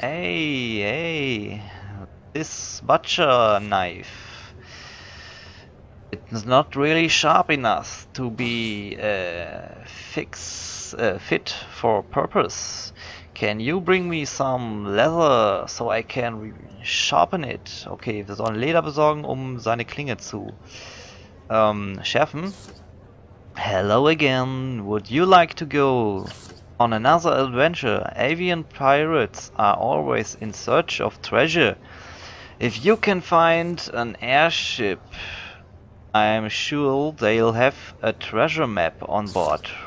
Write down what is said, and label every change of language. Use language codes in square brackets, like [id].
[en] Ey, ey, this butcher knife. It's not really sharp enough to be fit for purpose. Can you bring me some leather so I can sharpen it? [de] Okay, wir sollen Leder besorgen, um seine Klinge zu schärfen. [en] Hello again. Would you like to go on another adventure? Avian pirates are always in search of treasure. If you can find an airship, I'm sure they'll have a treasure map on board.